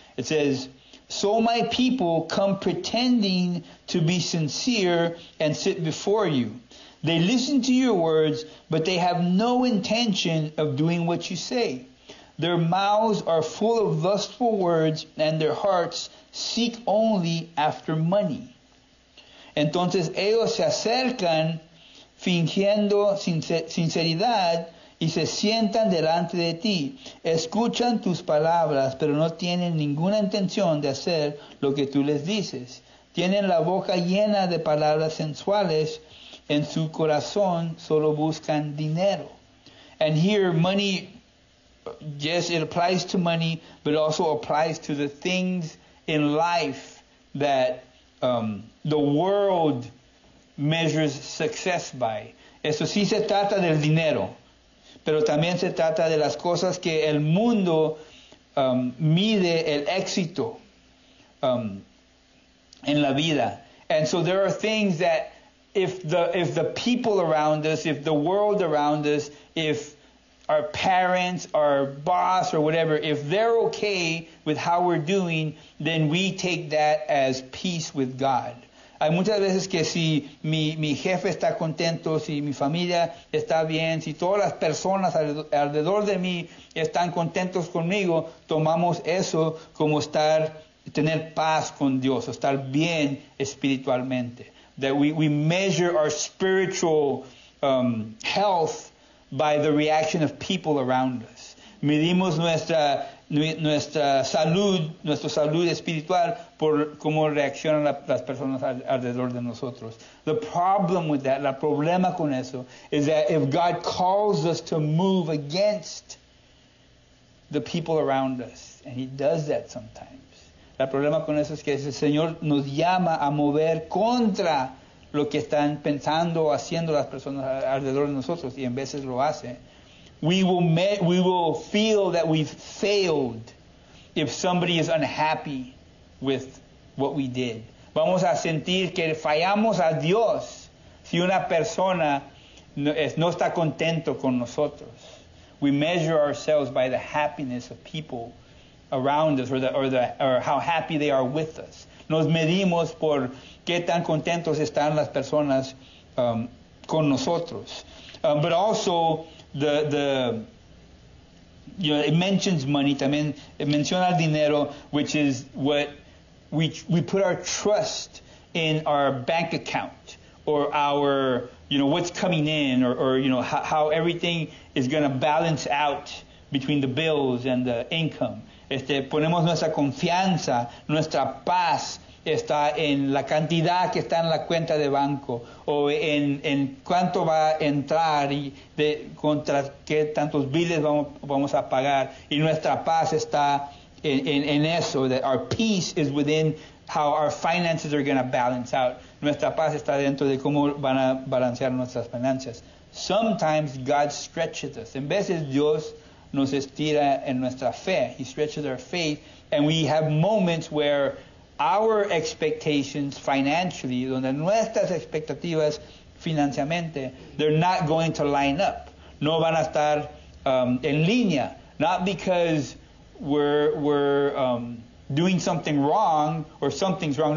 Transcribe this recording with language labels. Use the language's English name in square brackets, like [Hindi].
[English] It says, "So my people come pretending to be sincere and sit before you. They listen to your words, but they have no intention of doing what you say. Their mouths are full of lustful words, and their hearts seek only after money. [Spanish] Entonces ellos se acercan fingiendo sinceridad, y se sientan delante de ti, escuchan tus palabras, pero no tienen ninguna intención de hacer lo que tú les dices. Tienen la boca llena de palabras sensuales, en su corazón solo buscan dinero." [English] And here, money, yes, it applies to money, but also applies to the things in life that the world measures success by. [Spanish] Eso sí se trata del dinero. Pero también se trata de las cosas que el mundo mide el éxito en la vida. [English] And so there are things that if the people around us, if the world around us, if our parents, our boss or whatever, if they're okay with how we're doing, then we take that as peace with God. [Spanish] Hay muchas veces que si mi jefe está contento, si mi familia está bien, si todas las personas alrededor de mí están contentos conmigo, tomamos eso como estar, tener paz con Dios, estar bien espiritualmente. [English] That we measure our spiritual health by the reaction of people around us. [Spanish] Medimos nuestra salud espiritual por cómo reaccionan las personas alrededor de nosotros. [English] The problem with that, [Spanish] la problema con eso, [English] is that if God calls us to move against the people around us, and he does that sometimes. [Spanish] La problema con eso es que el Señor nos llama a mover contra lo que están pensando o haciendo las personas alrededor de nosotros, y en veces lo hace. [English] We will feel that we've failed if somebody is unhappy with what we did. [Spanish] Vamos a sentir que fallamos a Dios si una persona no está contento con nosotros. [English] We measure ourselves by the happiness of people around us or how happy they are with us. [Spanish] Nos medimos por qué tan contentos están las personas con nosotros. [English] But also, it mentions money, [Spanish] también it menciona el dinero, [English] which is what we put our trust in our bank account or our, you know, what's coming in or you know, how everything is going to balance out between the bills and the income. [Spanish] Ponemos nuestra confianza, nuestra paz está en la cantidad que está en la cuenta de banco o en cuánto va a entrar y de contra qué tantos billes vamos a pagar, y nuestra paz está en eso, [English] that our peace is within how our finances are going to balance out. [Spanish] Nuestra paz está dentro de cómo van a balancear nuestras finanzas. [English] Sometimes God stretches us. [Spanish] En veces Dios nos estira en nuestra fe. [English] He stretches our faith, and we have moments where our expectations financially, [Spanish] donde nuestras expectativas financieramente, [English] they're not going to line up. [Spanish] No van a estar en línea. [English] Not because we're doing something wrong or something's wrong.